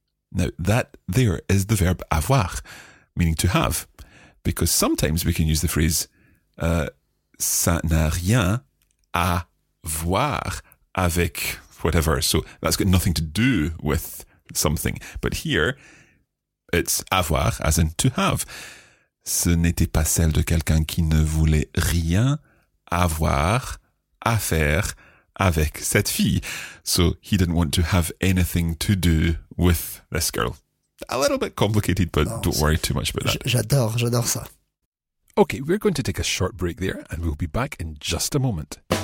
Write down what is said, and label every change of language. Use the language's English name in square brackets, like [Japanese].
[English] Now, that there is the verb avoir, meaning to have. Because sometimes we can use the phrase [French] ça n'a rien à voir avec whatever. [English] So that's got nothing to do with something. But here, it's avoir, as in to have. [French] Ce n'était pas celle de quelqu'un qui ne voulait rien avoir à faire avec cette fille. [English] So he didn't want to have anything to do with this girl. A little bit complicated, but no, don't worry too much about that. [French] J'adore ça. [English] Okay, we're going to take a short break there and we'll be back in just a moment.